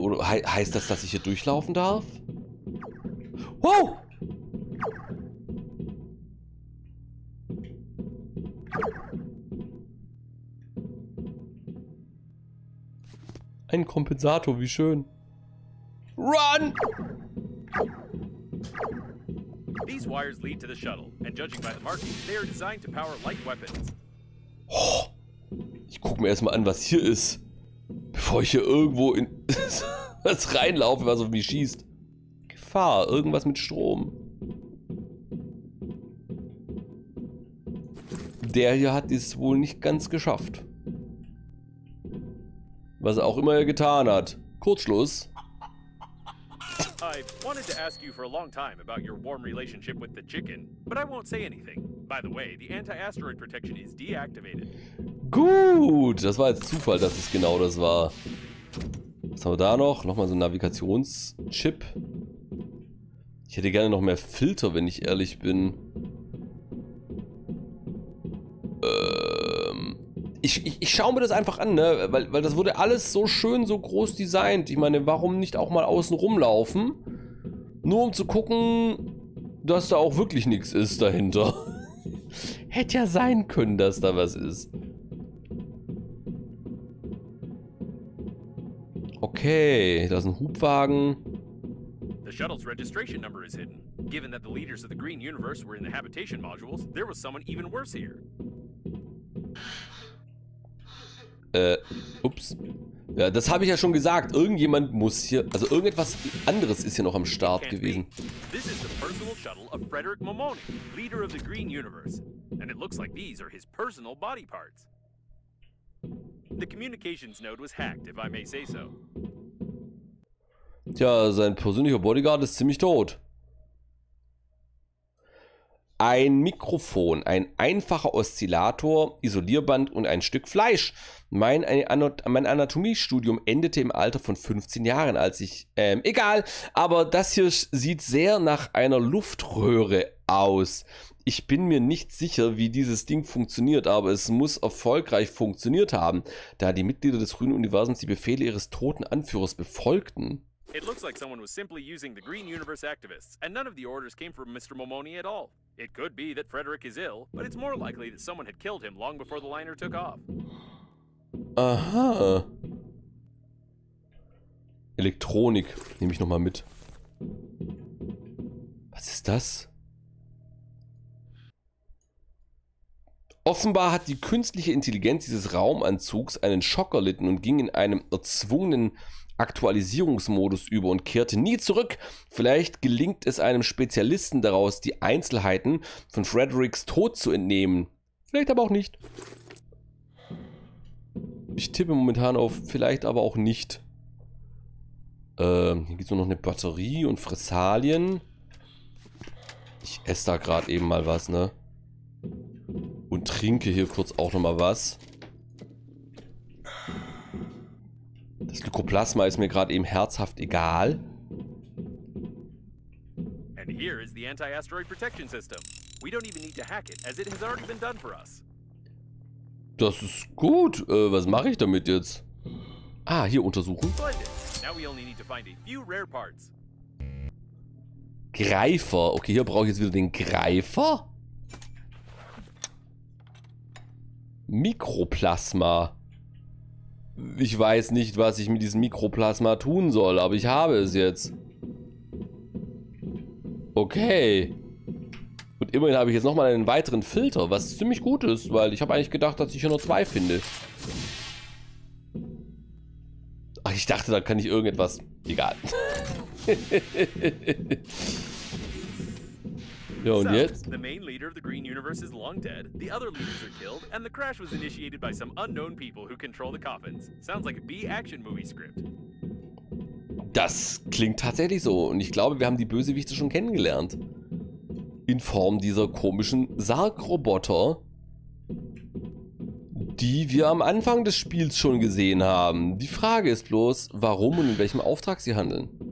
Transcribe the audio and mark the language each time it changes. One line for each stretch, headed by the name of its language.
German: Oder heißt das, dass ich hier durchlaufen darf? Wow! Ein Kompensator, wie schön.
English: Run! These wires lead to the shuttle, and judging by the markings, they are designed to power light weapons.
German: Oh, ich guck mir erstmal an, was hier ist, bevor ich hier irgendwo in was reinlaufe, was auf mich schießt. Gefahr, irgendwas mit Strom. Der hier hat es wohl nicht ganz geschafft. Was auch immer er getan hat. Kurzschluss.
English: I wanted to ask you for a long time about your warm relationship with the chicken, but I won't say anything. By the way, the anti-asteroid protection is deactivated.
German: Gut, das war jetzt Zufall, dass es genau das war. Was haben wir da noch? Nochmal so ein Navigationschip. Ich hätte gerne noch mehr Filter, wenn ich ehrlich bin. Ich schaue mir das einfach an, ne? Weil das wurde alles so schön, so groß designt. Ich meine, warum nicht auch mal außen rumlaufen? Nur um zu gucken, dass da auch wirklich nichts ist dahinter. Hätte ja sein können, dass da was ist. Okay, da ist ein Hubwagen.
English: The shuttle's registration number is hidden. Given that the leaders of the Green Universe were in the habitation modules, there was someone even worse here. Ups.
German: Ja, das habe ich ja schon gesagt. Irgendjemand muss hier, also irgendetwas anderes ist hier noch am Start gewesen.
English: This is the personal shuttle of Frederick Mamoni, leader of the Green Universe. And it looks like these are his personal body parts. The communications node was hacked, if I may say so.
German: Tja, sein persönlicher Bodyguard ist ziemlich tot. Ein Mikrofon, ein einfacher Oszillator, Isolierband und ein Stück Fleisch. Mein Anatomiestudium endete im Alter von 15 Jahren, als ich... egal, aber das hier sieht sehr nach einer Luftröhre aus. Ich bin mir nicht sicher, wie dieses Ding funktioniert, aber es muss erfolgreich funktioniert haben, da die Mitglieder des grünen Universums die Befehle ihres toten Anführers befolgten.
English: It looks like someone was simply using the Green Universe activists, and none of the orders came from Mr. Mamoni at all. It could be that Frederick is ill, but it's more likely that someone had killed him long before the liner took off. Aha.
German: Elektronik nehme ich nochmal mit. Was ist das? Offenbar hat die künstliche Intelligenz dieses Raumanzugs einen Schock erlitten und ging in einem erzwungenen Aktualisierungsmodus über und kehrte nie zurück. Vielleicht gelingt es einem Spezialisten daraus, die Einzelheiten von Fredericks Tod zu entnehmen. Vielleicht aber auch nicht. Ich tippe momentan auf vielleicht aber auch nicht. Hier gibt es nur noch eine Batterie und Fressalien. Ich esse da gerade eben mal was, ne? Und trinke hier kurz auch nochmal was. Das Lykoplasma ist mir gerade eben herzhaft egal.
English: And here is the anti-asteroid protection system. We don't even need to hack it, as it has already been done for us.
German: Das ist gut. Was mache ich damit jetzt? Ah, hier untersuchen.
English: Now we only need to find a few rare parts.
German: Greifer. Okay, hier brauche ich jetzt wieder den Greifer. Mikroplasma. Ich weiß nicht, was ich mit diesem Mikroplasma tun soll, aber ich habe es jetzt. Okay. Und immerhin habe ich jetzt nochmal einen weiteren Filter, was ziemlich gut ist, weil ich habe eigentlich gedacht, dass ich hier nur zwei finde. Ach, ich dachte, da kann ich irgendetwas... Egal. Ja, und jetzt?
English: The main leader of the Green Universe is long dead. The other leaders are killed and the crash was initiated by some unknown people who control the coffins. Sounds like a B-Action movie script.
German: Das klingt tatsächlich so und ich glaube, wir haben die Bösewichte schon kennengelernt. In Form dieser komischen Sargroboter, die wir am Anfang des Spiels schon gesehen haben. Die Frage ist bloß, warum und in welchem Auftrag sie handeln.